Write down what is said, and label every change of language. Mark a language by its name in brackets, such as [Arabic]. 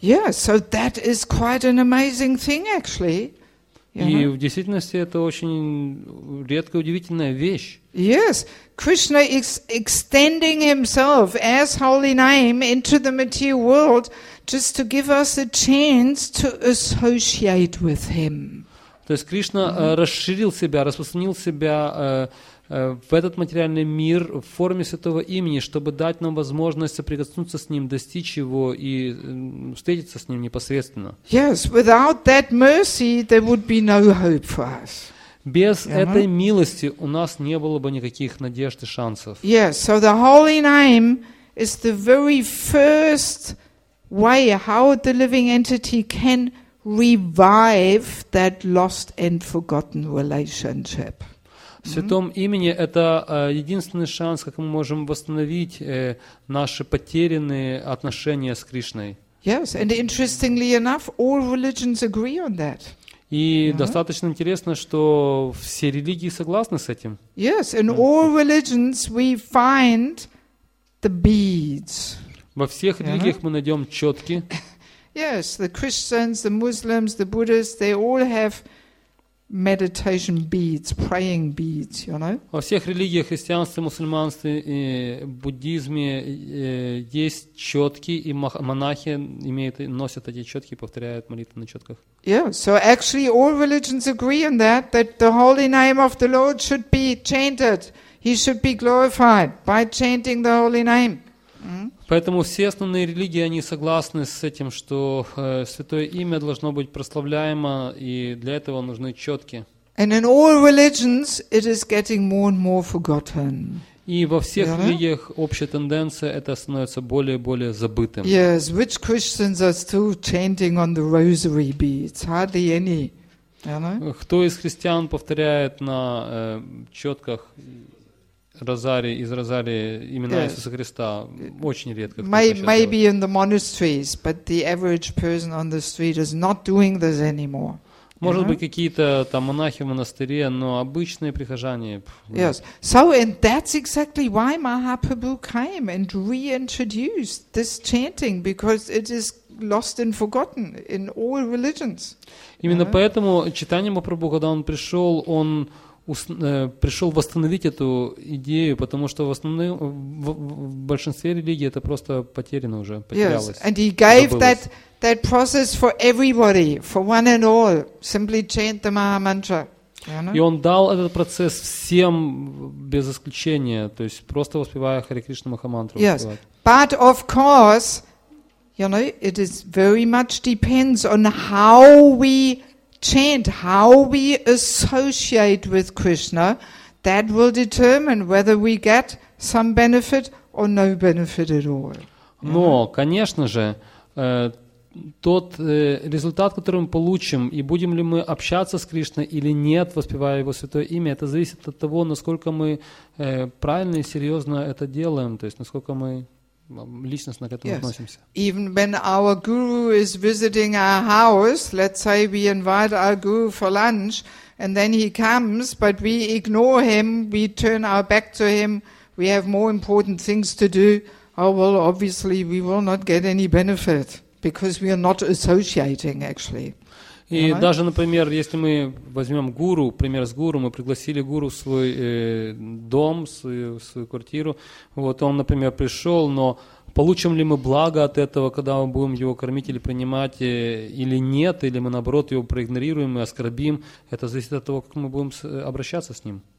[English] Yeah, so that is quite an amazing thing, actually. [Russian] И в действительности это очень редкая, удивительная вещь. [English] Yes, Krishna is extending himself as holy name into the material world just to give us a chance to associate with him. [Russian] То есть Кришна расширил себя, распространил себя в этот материальный мир в форме Святого Имени, чтобы дать нам возможность соприкоснуться с Ним, достичь Его и встретиться с Ним непосредственно. [English] Yes, without that mercy, there would be no hope for us. [Russian] Без этой милости у нас не было бы никаких надежд и шансов. [English] Yes, so the Holy Name is the very first way how the living entity can revive that lost and forgotten relationship. [Russian] В Святом Имени это единственный шанс, как мы можем восстановить наши потерянные отношения с Кришной. [English] Yes, and interestingly enough, all religions agree on that. [Russian] И достаточно интересно, что все религии согласны с этим. [English] Yes, in all religions we find the beads. [Russian] Во всех религиях мы найдем четки. [English] Yes, the Christians, the Muslims, the Buddhists, they all have meditation beads, praying beads, you know. [Russian] Во всех религиях, христианстве, мусульманстве и буддизме есть четки, и монахи имеют, носят эти четки, повторяют молитвы на четках. [English] Yeah, so actually all religions agree on that, that the holy name of the Lord should be chanted. He should be glorified by chanting the holy name. [Russian] Поэтому все основные религии, они согласны с этим, что святое имя должно быть прославляемо, и для этого нужны четки. [English] And in all religions, it is getting more and more forgotten. [Russian] И во всех религиях общая тенденция, это становится более и более забытым. [English] Yes, which Christians are still chanting on the rosary beads? Hardly any. [Russian] Кто из христиан повторяет на четках Розарий, из Розария имена Иисуса Христа очень редко. [English] Maybe in the monasteries, but the average person on the street is not doing this anymore. [Russian] Может быть, какие-то там монахи в монастыре, но обычные прихожане. [English] Yes. So and that's exactly why Mahaprabhu came and reintroduced this chanting, because it is lost and forgotten in all religions. [Russian] Именно поэтому читание Махапрабху, когда он пришел, он пришел восстановить эту идею, потому что в большинстве религий это просто потеряно уже, потерялось. [English] Yes, and he gave that process for everybody, for one and all. Simply chant the Maha Mantra. [Russian] И он дал этот процесс всем без исключения, то есть просто воспевая Харе Кришна Маха Мантру. [English] Yes, but of course, you know, it is very much depends on how we chant, how we associate with Krishna, that will determine whether we get some benefit or no benefit at all. [Russian] Но, конечно же, тот результат, который мы получим, и будем ли мы общаться с Кришной или нет, воспевая Его Святое Имя, это зависит от того, насколько мы правильно и серьезно это делаем, то есть насколько мы личностно к этому относимся. [English] Even when our guru is visiting our house, let's say we invite our guru for lunch, and then he comes, but we ignore him, we turn our back to him, we have more important things to do, obviously we will not get any benefit, because we are not associating, actually. [Russian] И даже, например, если мы возьмем гуру, пример с гуру, мы пригласили гуру в свой дом, в свою квартиру, вот он, например, пришел, но получим ли мы благо от этого, когда мы будем его кормить или принимать, или нет, или мы, наоборот, его проигнорируем и оскорбим, это зависит от того, как мы будем обращаться с ним.